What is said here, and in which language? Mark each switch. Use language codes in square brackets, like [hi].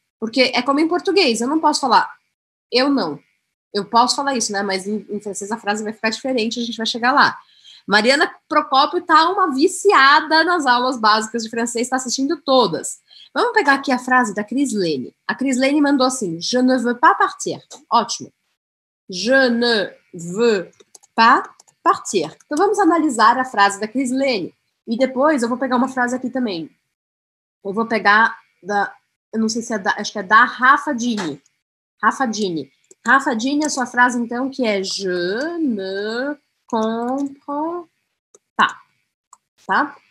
[pt] Porque é como em português. Eu não posso falar eu não. Eu posso falar isso, né? Mas em francês a frase vai ficar diferente, a gente vai chegar lá. Mariana Procópio tá uma viciada nas aulas básicas de francês, está assistindo todas. Vamos pegar aqui a frase da Cris Lene. A Cris Lene mandou assim, [fr] je ne veux pas partir. [pt] Ótimo. [fr] Je ne veux pas partir. [pt] Então, vamos analisar a frase da Chris Lane. E depois eu vou pegar uma frase aqui também. Eu vou pegar da... Eu não sei se é da... Acho que é da Rafa Dini. Rafa Dini. Rafa Dini, a sua frase, então, que é [fr] je ne comprends pas. [pt] Tá?